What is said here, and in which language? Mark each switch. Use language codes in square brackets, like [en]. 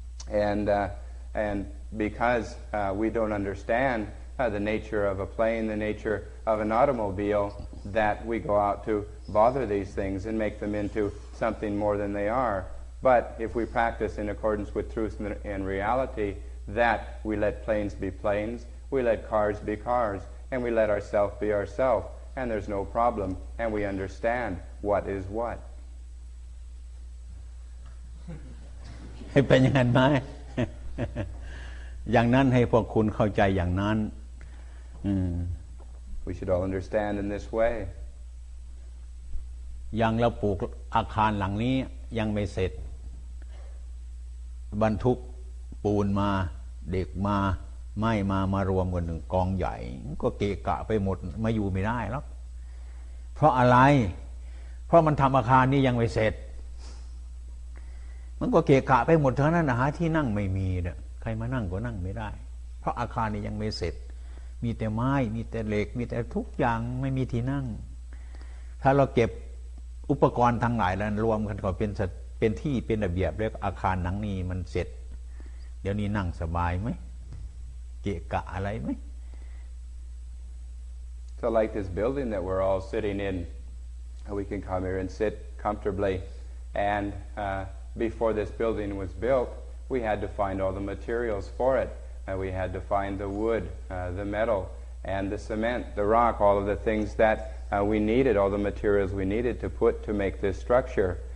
[en] And because we don't understand the nature of a plane, the nature of an automobile, that we go out to bother these things and make them into something more than they are. But if we practice in accordance with truth and reality,that we let planes be planes, we let cars be cars, and we let ourself be ourself, and there's no problem, and we understand what is what. [th] ให้เป็นอย่างนั้นไหมอย่างนั้นให้พวกคุณเข้าใจอย่างนั้น [en] We should all understand in this way. [th] ยังเราปลูกอาคารหลังนี้ยังไม่เสร็จบรรทุกปูนมาเด็กมาไม่มามารวมกันหนึ่งกองใหญ่ก็เกะกะไปหมดมาอยู่ไม่ได้หรอกเพราะอะไรเพราะมันทำอาคารนี้ยังไม่เสร็จ มันก็เกะกะไปหมดเท่านั้นหาที่นั่งไม่มีเนี่ยใครมานั่งก็นั่งไม่ได้เพราะอาคารนี้ยังไม่เสร็จมีแต่ไม้มีแต่เหล็กมีแต่ทุกอย่างไม่มีที่นั่งถ้าเราเก็บอุปกรณ์ทั้งหลายแล้วรวมกันก็เป็นที่เป็นระเบียบเรียกอาคารหนังนี้มันเสร็จเดี๋ยวนี้นั่งสบายไหมเกะกะอะไรไหม [en] So like this building that we're all sitting in, we can come here and sit comfortably. And before this building was built, we had to find all the materials for it. We had to find the wood, the metal, and the cement, the rock, all of the things that we needed, all the materials we needed to put to make this structure.